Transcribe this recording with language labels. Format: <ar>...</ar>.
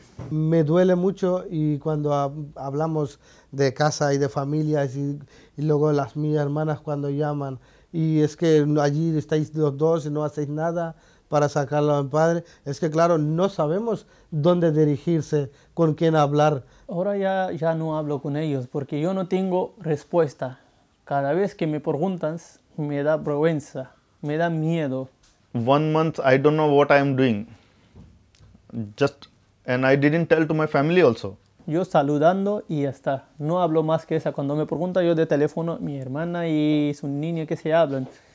<es>Me duele mucho, y cuando hablamos de casa y de familias, y luego las mis hermanas cuando llaman, y es que allí estáis los dos y no hacéis nada para sacarlo al padre, es que claro, no sabemos dónde dirigirse, con quién hablar. Ahora ya no hablo con ellos porque yo no tengo respuesta. Cada vez que me preguntan me da vergüenza, me da miedo.</es> <en>One month I don't know what I am doing. And I didn't tell to my family also.</en> <es>Yo saludando y ya está. No hablo más que esa. Cuando me pregunta yo de teléfono, mi hermana y su niña que se hablan.</es>